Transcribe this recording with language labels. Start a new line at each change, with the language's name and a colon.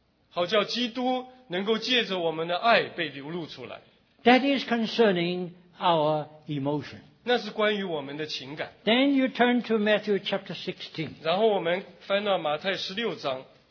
Chinese: 好叫基督能够借着我们的爱被流露出来。
English: That is concerning our emotion.
Chinese: 那是关于我们的情感。
English: Then you turn to Matthew chapter 16.
Chinese: 然后我们翻到马太十六章。